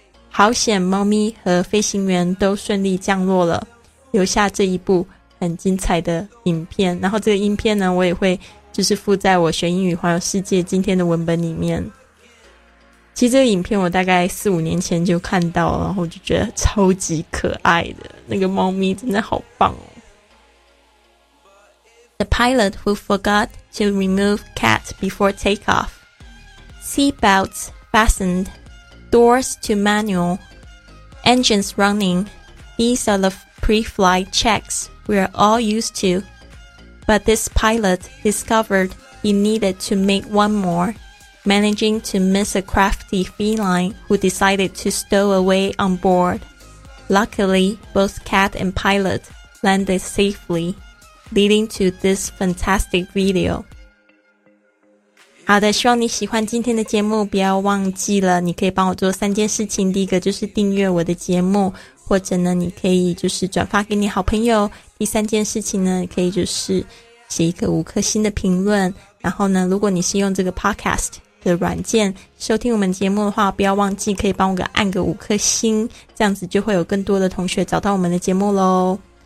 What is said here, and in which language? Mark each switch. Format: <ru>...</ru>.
<zh>好险猫咪和飞行员都顺利降落了，留下这一部很精彩的影片。然后这个影片呢我也会就是附在我学英语环游世界今天的文本里面。其实这个影片我大概四五年前就看到，然后就觉得超级可爱的，那个猫咪真的好棒哦。</zh> <en>The pilot who forgot to remove cat before takeoff. Seat belts fastened, doors to manual, engines running. These are the pre-flight checks we are all used to. But this pilot discovered he needed to make one more, managing to miss a crafty feline who decided to stow away on board. Luckily, both cat and pilot landed safely, leading to this fantastic video.</en> <zh>好的，希望你喜欢今天的节目，不要忘记了你可以帮我做三件事情，第一个就是订阅我的节目，或者呢你可以就是转发给你好朋友，第三件事情呢可以就是写一个五颗星的评论，然后呢如果你是用这个 podcast 的软件收听我们节目的话，不要忘记可以帮我按个五颗星，这样子就会有更多的同学找到我们的节目咯。</zh>